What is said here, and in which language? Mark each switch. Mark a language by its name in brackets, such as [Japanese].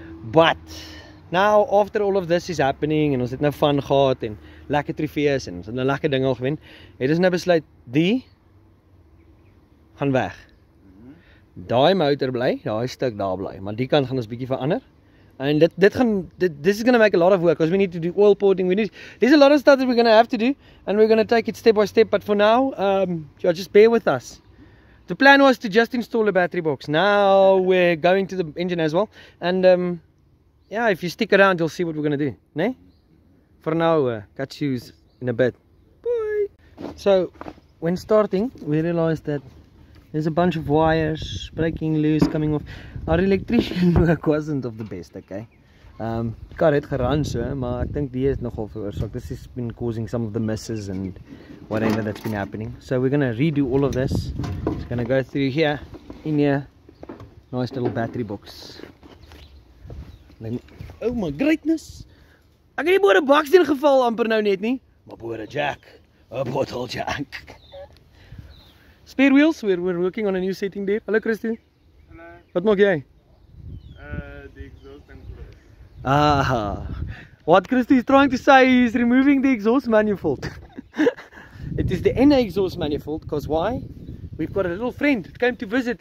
[English] But now after all of this is happening [Afrikaans] en ons het nou van gehad en lekker trofees en ons het nou lekker dinge al gewen. Het ons nou besluit die gaan weg. Daai motor bly, daai stuk daar bly, maar die kan gaan ons bietjie verander. [English] En this is going to make a lot of work because we need to do oil porting. There's a lot of stuff that we're going to have to do and we're going to take it step by step, but for now just bear with us. The plan was to just install a battery box. Now we're going to the engine as well and yeah, if you stick around you'll see what we're going to do, né? For now, catch you in a bit. Bye! So, when starting, we realized that there's a bunch of wires breaking loose, coming off. Our electrician work wasn't of the best, okay? The car had run, so, but I think this is [Afrikaans] nogal veroorzaak. [English] This has been causing some of the misses and whatever that's been happening. So we're gonna redo all of this. It's gonna go through here, in here. Nice little battery box. Oh my greatness! [Afrikaans] Ek het die boere box in geval amper nou net nie. Maar boere jack, [English] a bottle jack. Spare wheels, we're working on a new setting there. [Afrikaans] Hallo Christy. Hallo. Wat maak jy? Die exhaust manifold. Aha. [English] What Christy is trying to say is removing the exhaust manifold. It is the NA exhaust manifold, because why? We've got a little friend that came to visit.